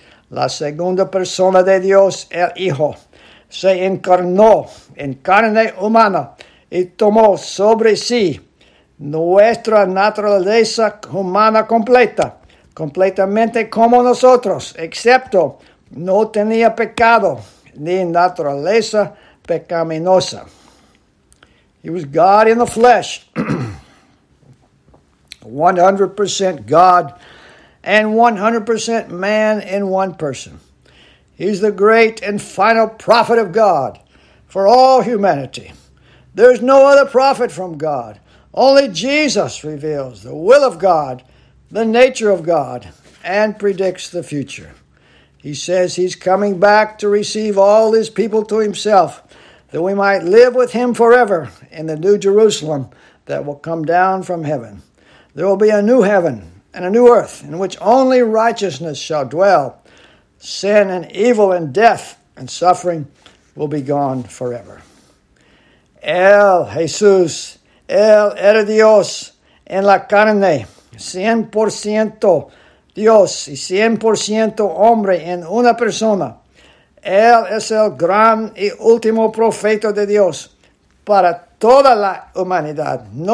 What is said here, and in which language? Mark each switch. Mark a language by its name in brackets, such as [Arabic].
[Spanish] La segunda persona de Dios, el Hijo, se encarnó en carne humana y tomó sobre sí nuestra naturaleza humana completa, completamente como nosotros, excepto no tenía pecado ni naturaleza pecaminosa. [English] He was God in the flesh, 100% God and 100% man in one person. He's the great and final prophet of God for all humanity. There's no other prophet from God. Only Jesus reveals the will of God, the nature of God, and predicts the future. He says he's coming back to receive all his people to himself, that we might live with him forever in the new Jerusalem that will come down from heaven. There will be a new heaven and a new earth in which only righteousness shall dwell. Sin and evil and death and suffering will be gone forever. [Spanish] El Jesús, el era Dios en la carne, 100% Dios y 100% hombre en una persona. Él es el gran y último profeta de Dios para toda la humanidad.